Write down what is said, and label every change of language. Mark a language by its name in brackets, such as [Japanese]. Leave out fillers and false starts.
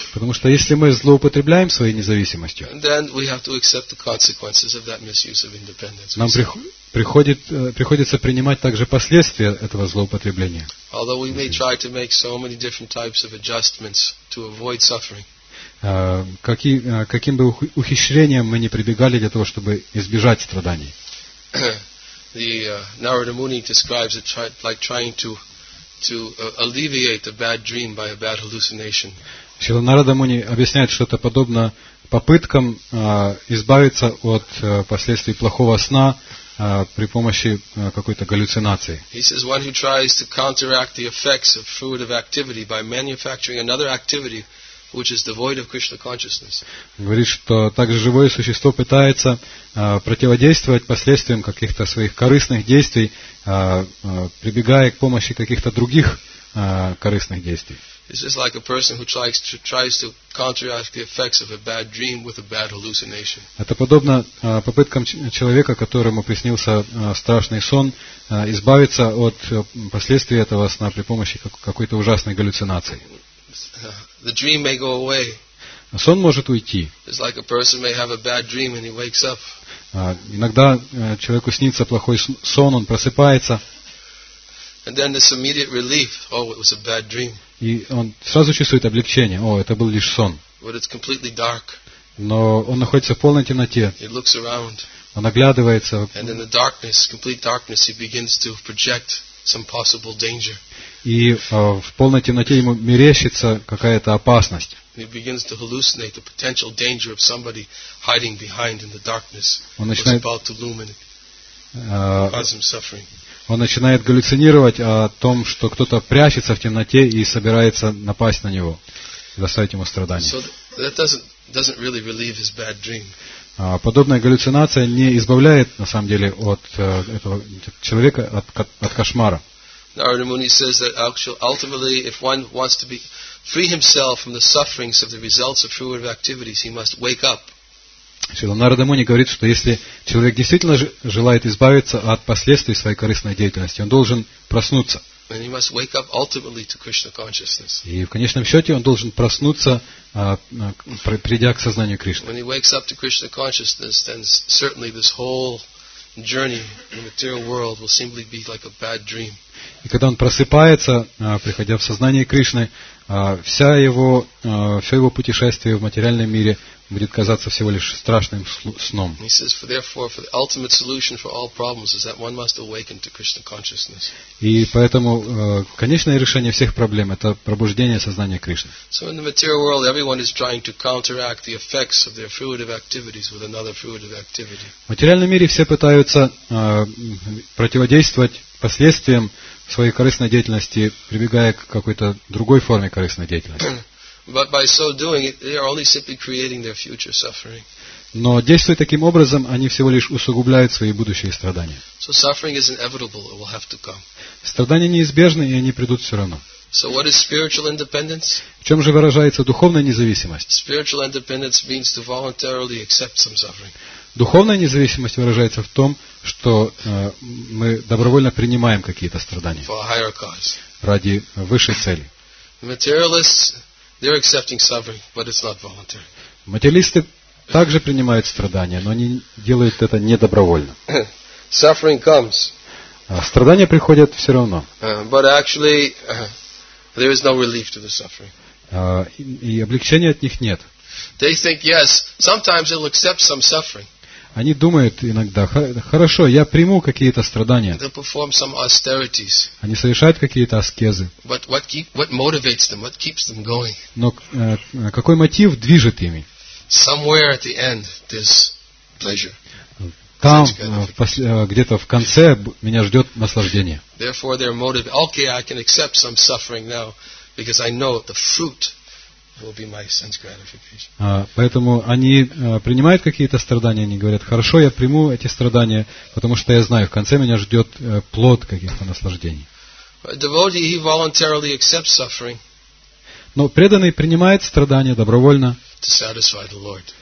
[Russian] потому что если мы злоупотребляем своей независимостью, [English] then we have to accept the consequences of that misuse of independence. [Russian] Нам приходится принимать также последствия этого злоупотребления. [English] Although we may try to make so many different types of adjustments to avoid suffering. [Russian] Каким бы ухищрением мы ни прибегали для того, чтобы избежать страданий. [English] The Narada Muni describes it like trying to alleviate a bad dream by a bad hallucination. [Russian] Шрила Нарада Муни объясняет, что это подобно попыткам избавиться от последствий плохого сна при помощи какой-то галлюцинации. [English] He says one who tries to counteract the effects of fruitive activity by manufacturing another activity which is devoid of Krishna consciousness. [Russian] Говорит, что также живое существо пытается противодействовать последствиям каких-то своих корыстных действий, прибегая к помощи каких-то других корыстных действий. [English] It's just like a person who tries to counteract the effects of a bad dream with a bad hallucination. [Russian] Это подобно попыткам человека, которому приснился страшный сон, избавиться от последствий этого сна при помощи какой-то ужасной галлюцинации. [English] The dream may go away. [Russian] Сон может уйти. [English] It's like a person may have a bad dream and he wakes up. [Russian] Иногда человеку снится плохой сон, он просыпается. [English] And then there's immediate relief. Oh, it was a bad dream. [Russian] И он сразу чувствует облегчение. О, это был лишь сон. [English] But it's completely dark. [Russian] Но он находится в полной темноте. [English] He looks around. [Russian] Он оглядывается. [English] And in the darkness, complete darkness, he begins to project some possible danger. [Russian] И в полной темноте ему мерещится какая-то опасность. [English] He begins to hallucinate the potential danger of somebody hiding behind in the darkness. [Russian] Он начинает [English] about to loom and cause him suffering. [Russian] Он начинает галлюцинировать о том, что кто-то прячется в темноте и собирается напасть на него, доставить ему страдания. [English] So that doesn't really relieve his bad dream. [Russian] Подобная галлюцинация не избавляет на самом деле от этого человека от кошмара. [English] Narada Muni says that ultimately, if one wants to be free himself from the sufferings of the results of fruitive activities, he must wake up. [Russian] Narada Muni говорит, что если человек действительно желает избавиться от последствий своей корыстной деятельности, он должен проснуться. [English] And he must wake up ultimately to Krishna consciousness. [Russian] И в конечном счете он должен проснуться, придя к сознанию Кришны. [English] When he wakes up to Krishna consciousness, then certainly this whole journey in the material world will simply be like a bad dream. [Russian] И когда он просыпается, приходя в сознание Кришны, все его путешествие в материальном мире будет казаться всего лишь страшным сном. [English] He says, therefore, for the ultimate solution for all problems is that one must awaken to Krishna consciousness. [Russian] И поэтому конечное решение всех проблем это пробуждение сознания Кришны. [English] So in the material world, everyone is trying to counteract the effects of their fruitive activities with another fruitive activity. [Russian] В материальном мире все пытаются противодействовать последствиям своей корыстной деятельности, прибегая к какой-то другой форме корыстной деятельности. [English] But by so doing, they are only simply creating their future suffering. [Russian] Но действуя таким образом, они всего лишь усугубляют свои будущие страдания. [English] So suffering is inevitable; it will have to come. [Russian] Страдания неизбежны, и они придут все равно. [English] So what is spiritual independence? [Russian] В чем же выражается духовная независимость? [English] Spiritual independence means to voluntarily accept some suffering. [Russian] Духовная независимость выражается в том, что мы добровольно принимаем какие-то страдания [English] for a higher cause. [Russian] Ради высшей цели. [English] Materialists, they're accepting suffering, but it's not voluntary. [Russian] Материалисты также принимают страдания, но они делают это не добровольно. [English] Suffering comes. [Russian] Страдания приходят все равно. [English] But actually, there is no relief to the suffering. [Russian] И облегчения от них нет. [English] They think, yes, sometimes they'll accept some suffering. [Russian] Они думают иногда, хорошо, я приму какие-то страдания. [English] They'll perform some austerities. [Russian] Они совершают какие-то аскезы. [English] But what motivates them? What keeps them going? [Russian] Но какой мотив движет ими? [English] Somewhere at the end, there's pleasure. [Russian] Там, где-то в конце, меня ждет наслаждение. [English] Therefore, they're motivated. Okay, I can accept some suffering now, because I know the fruit will be my sense gratification. [Russian] Поэтому они принимают какие-то страдания, они говорят, хорошо, я приму эти страдания, потому что я знаю, в конце меня ждет плод каких-то наслаждений. [English] A devotee, he voluntarily accepts suffering. [Russian] Но преданный принимает страдания добровольно. [English] To satisfy the Lord.